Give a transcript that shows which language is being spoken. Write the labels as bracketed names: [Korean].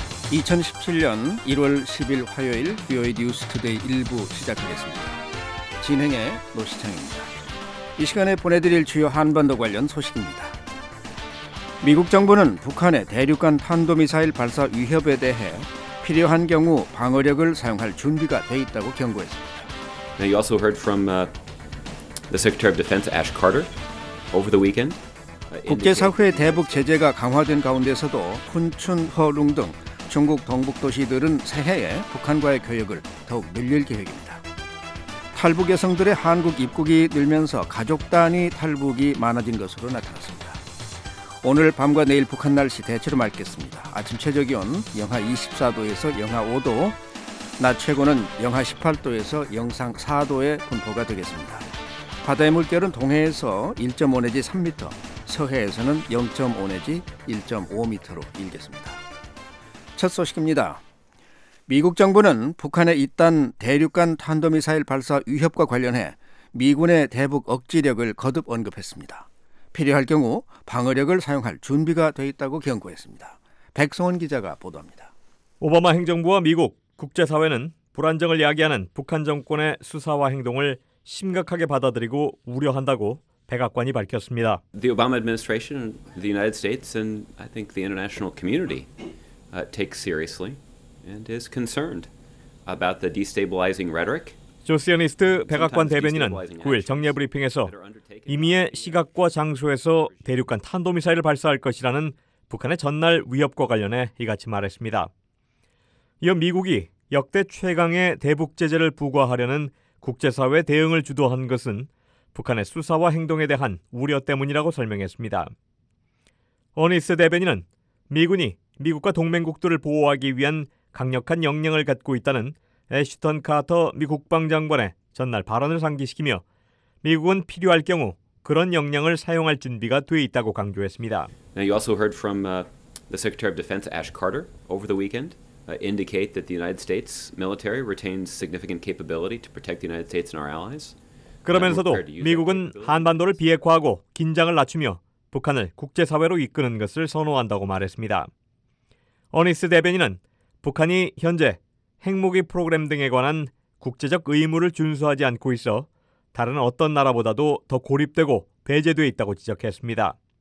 [Korean] 2017년 1월 10일 화요일 VOA 뉴스 투데이 1부 시작하겠습니다. 진행의 노시창입니다. 이 시간에 보내드릴 주요 한반도 관련 소식입니다. 미국 정부는 북한의 대륙간 탄도미사일 발사 위협에 대해 필요한 경우 방어력을 사용할 준비가 돼 있다고 경고했습니다. [English] Now you also heard from the Secretary of Defense Ash Carter over the weekend. [Korean] 국제사회의 대북 제재가 강화된 가운데서도 훈춘, 허룽 등 중국 동북 도시들은 새해에 북한과의 교역을 더욱 늘릴 계획입니다. 탈북 여성들의 한국 입국이 늘면서 가족 단위 탈북이 많아진 것으로 나타났습니다. 오늘 밤과 내일 북한 날씨 대체로 맑겠습니다. 아침 최저 기온 영하 24도에서 영하 5도, 낮 최고는 영하 18도에서 영상 4도의 분포가 되겠습니다. 바다의 물결은 동해에서 1.5 내지 3m, 서해에서는 0.5 내지 1.5m로 일겠습니다. 첫 소식입니다. 미국 정부는 북한의 잇단 대륙간 탄도미사일 발사 위협과 관련해 미군의 대북 억지력을 거듭 언급했습니다. 필요할 경우 방어력을 사용할 준비가 되어 있다고 경고했습니다. 백성원 기자가 보도합니다. 오바마 행정부와 미국, 국제사회는 불안정을 야기하는 북한 정권의 수사와 행동을 심각하게 받아들이고 우려한다고 백악관이 밝혔습니다. [English] The Obama administration, the United States, and I think the international community take seriously. And is concerned about the destabilizing rhetoric. [Korean] 조시어니스트 백악관 대변인은 9일 정례 브리핑에서 임의의 시각과 장소에서 대륙간 탄도미사일을 발사할 것이라는 북한의 전날 위협과 관련해 이같이 말했습니다. 이어 미국이 역대 최강의 대북 제재를 부과하려는 국제사회 대응을 주도한 것은 북한의 수사와 행동에 대한 우려 때문이라고 설명했습니다. 어니스 대변인은 미군이 미국과 동맹국들을 보호하기 위한 강력한 역량을 갖고 있다는 애쉬턴 카터 미 국방장관의 전날 발언을 상기시키며 미국은 필요할 경우 그런 역량을 사용할 준비가 돼 있다고 강조했습니다. [English] Now you also heard from the Secretary of Defense Ash Carter over the weekend indicate that the United States military retains significant capability to protect the United States and our allies. [Korean] 그러면서도 미국은 한반도를 비핵화하고 긴장을 낮추며 북한을 국제사회로 이끄는 것을 선호한다고 말했습니다. 어니스 대변인은 북한이 현재 핵무기 프로그램 등에 관한 국제적 의무를 준수하지 않고 있어 다른 어떤 나라보다도 더 고립되고 배제돼 있다고 지적했습니다.